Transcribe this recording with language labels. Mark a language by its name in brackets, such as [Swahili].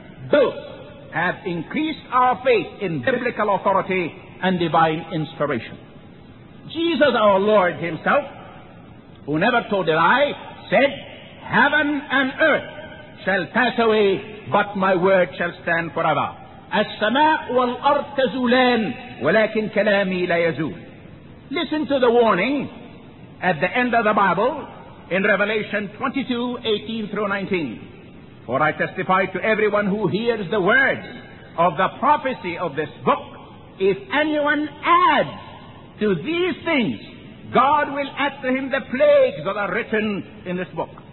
[English] Both have increased our faith in biblical authority and divine inspiration. Jesus, our Lord himself, who never told a lie, said, "Heaven and earth shall pass away, but my word shall stand forever." [Arabic] السماء والأرض تزولان ولكن كلامي لا يزول. [English] Listen to the warning at the end of the Bible in Revelation 22:18-19. "For I testify to everyone who hears the words of the prophecy of this book, if anyone adds to these things, God will add to him the plagues that are written in this book.